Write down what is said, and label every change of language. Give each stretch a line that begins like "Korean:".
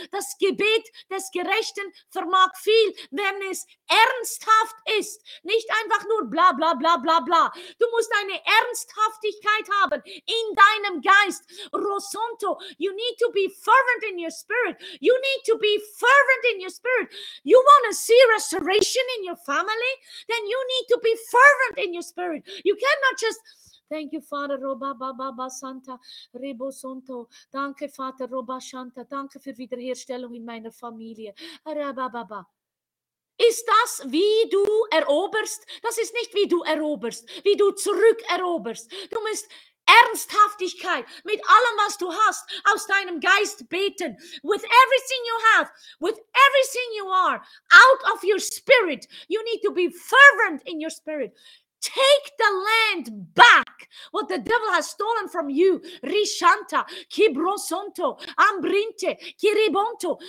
German: Das Gebet des Gerechten vermag viel, wenn es ernsthaft ist. Nicht einfach nur bla bla bla bla bla. Du musst eine Ernsthaftigkeit haben in deinem Geist.
English: Rosonto, you need to be fervent in your spirit. You need to be fervent in your spirit. You want to see restoration in your family? Then you need to be fervent in your spirit. You cannot just... Thank you, Father. Roba baba ba santa ribo sonto.
German: Danke, Vater. Roba santa. Danke für Wiederherstellung in meiner Familie. Raba baba. Ist das, wie du eroberst? Das ist nicht, wie du eroberst, wie du zurückeroberst. Du musst Ernsthaftigkeit mit allem, was du hast, aus deinem Geist beten.
English: With everything you have, with everything you are, out of your spirit, you need to be fervent in your spirit. Take the land back. What the devil has stolen from you. Rishanta, kibrosonto, ambrinte, kiribonto.